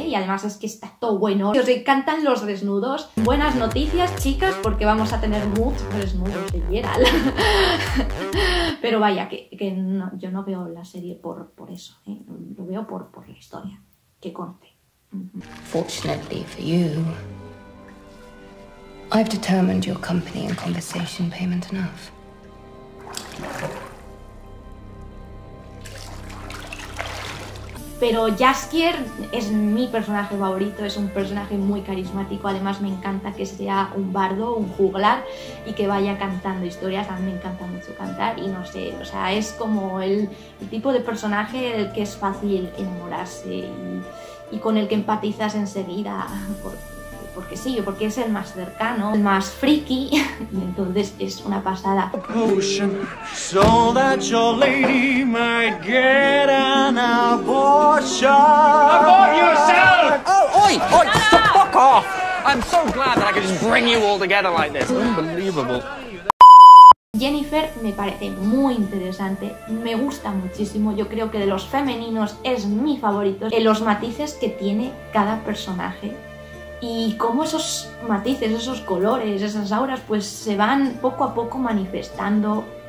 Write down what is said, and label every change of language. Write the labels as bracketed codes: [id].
[es] Y además es que está todo bueno. Os encantan los desnudos. Buenas noticias, chicas, porque vamos a tener muchos desnudos de Geralt. Pero vaya, que no, yo no veo la serie por eso, ¿eh? Lo veo por la historia que conté. [en] Fortunately for you, I've determined your company and conversation payment enough. [es] Pero Jaskier es mi personaje favorito, es un personaje muy carismático. Además, me encanta que sea un bardo, un juglar, y que vaya cantando historias. A mí me encanta mucho cantar y no sé, o sea, es como el tipo de personaje del que es fácil enamorarse y con el que empatizas enseguida, porque sí, porque es el más cercano, el más friki, y entonces es una pasada. [en] Potion, so that your lady might get an abortion. Abort yourself! Oh, oi, oi, the fuck off! I'm so glad that I could just bring you all together like this. Unbelievable. [es] Jennifer me parece muy interesante, me gusta muchísimo, yo creo que de los femeninos es mi favorito en los matices que tiene cada personaje y cómo esos matices, esos colores, esas auras pues se van poco a poco manifestando